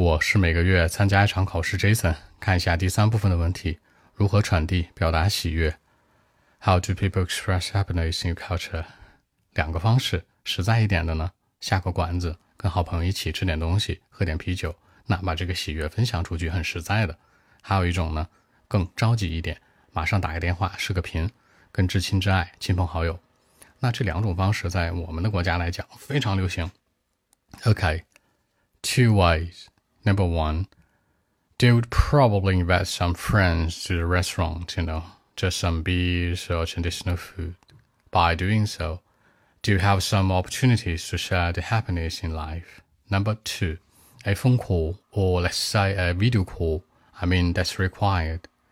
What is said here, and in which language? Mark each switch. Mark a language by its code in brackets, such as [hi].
[zh] 我是每个月参加一场考试 Jason， 看一下第三部分的问题，如何传递表达喜悦。 [en] How do people express happiness in your culture? [zh] 两个方式，实在一点的呢，下个馆子，跟好朋友一起吃点东西，喝点啤酒，那把这个喜悦分享出去很实在的。还有一种呢，更着急一点，马上打个电话，视个频，跟至亲至爱，亲朋好友。那这两种方式在我们的国家来讲非常流行。 [en] Okay, two ways. Number one, they would probably invite some friends to the restaurant, you know, just some beers or traditional food. By doing so, they would have some opportunities to share the happiness in life. Number two, a phone call or let's say a video call, I mean, that's required.